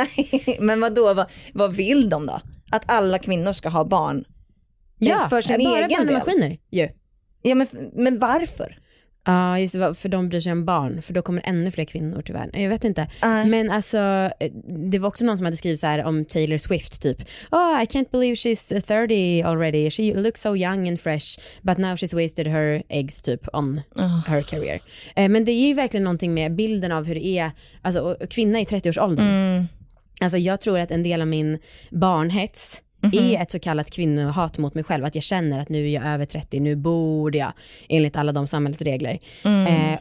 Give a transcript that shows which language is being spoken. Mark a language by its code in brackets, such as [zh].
[sv] Nej, men vadå? Vad vill de då? Att alla kvinnor ska ha barn? Ja, för sin egen del. Maskiner. Ja, men varför? Ja, just för de bryr sig om barn. För då kommer ännu fler kvinnor tyvärr. Jag vet inte. Men alltså, det var också någon som hade skrivit så här om Taylor Swift. [en] Typ, oh, I can't believe she's 30 already. She looks so young and fresh. But now she's wasted her eggs typ on her career. [sv] Men det är ju verkligen någonting med bilden av hur det är. Alltså, kvinna i 30-årsåldern. Mm. Alltså, jag tror att en del av min barnhets är ett så kallat kvinnohat mot mig själv. Att jag känner att nu är jag över 30, nu borde jag, enligt alla de samhällsregler. Mm.